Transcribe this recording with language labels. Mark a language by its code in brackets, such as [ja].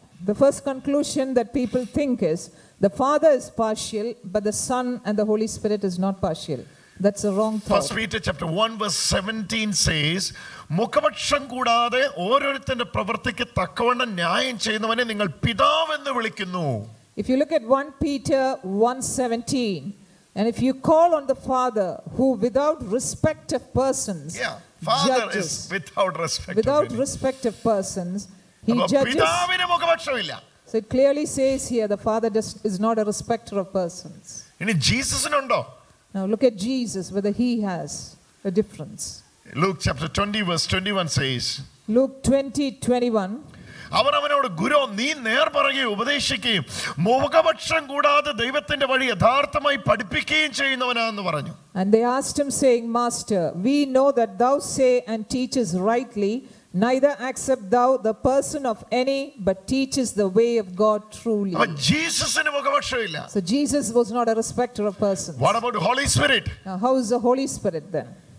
[en] The first conclusion that people think is the Father is partial but the Son and the Holy Spirit is not partial. That's a wrong thought. First Peter chapter 1 verse 17 says [ml] മുഖപക്ഷം കൂടാതെ ഓരോരുത്തന്റെ പ്രവൃത്തിക്ക് തക്കവണ്ണം ന്യായം ചെയ്യുന്നവനെ നിങ്ങൾ പിതാവെന്ന് വിളിക്കുന്നു. [en] If you look at 1 Peter 1:17 and if you call on the Father who without respect of persons, yeah. Father is without respect of persons, he judges. So it clearly says here the Father is not a respecter of persons. [ml] ഇനി ജീസസിനുണ്ടോ? [en] Now look at Jesus, whether he has a difference. Luke chapter 20 verse 21 says. Luke 20:21. [ml] അവർ അവനോട് ഗുരു നീ നേർ പറയുകയും ഉപദേശിക്കുകയും മുഖപക്ഷം കൂടാതെ ദൈവത്തിന്റെ വഴി യഥാർത്ഥമായി പഠിപ്പിക്കുകയും ചെയ്യുന്നവനാണെന്ന് പറഞ്ഞു. [en] And they asked him saying, Master, we know that thou say and teachest rightly, neither accept thou the person of any, but teachest the way of God truly. [ml] അവൻ ജീസസിന് മുഖപക്ഷമില്ല. [en] So Jesus was not a respecter of persons. What about the Holy Spirit? Now, how is the Holy Spirit then?